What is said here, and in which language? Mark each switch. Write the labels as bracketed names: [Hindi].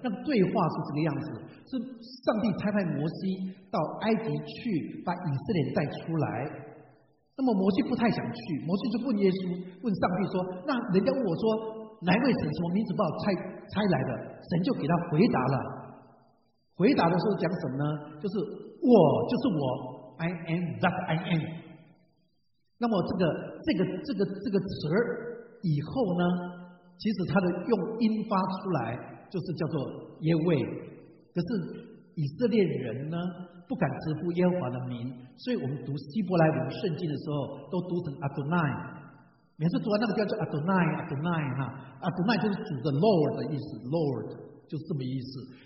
[Chinese] 那个对话是这个样子，是上帝差派摩西到埃及去把以色列带出来。那么摩西不太想去，摩西就问耶稣，问上帝说，那人家问我说哪位神什么名字把我差来的，神就给他回答了。回答的时候讲什么呢？就是我就是我 ， [English] I am that I am。 [Chinese] 那么这个词以后呢，其实它的用音发出来就是叫做耶位。可是以色列人呢不敢直呼耶和华的名，所以我们读希伯来文圣经的时候都读成 Adonai， 每次读完那个叫做 Adonai 哈 ，Adonai 就是主的 Lord 的意思 ，Lord 就是这么意思。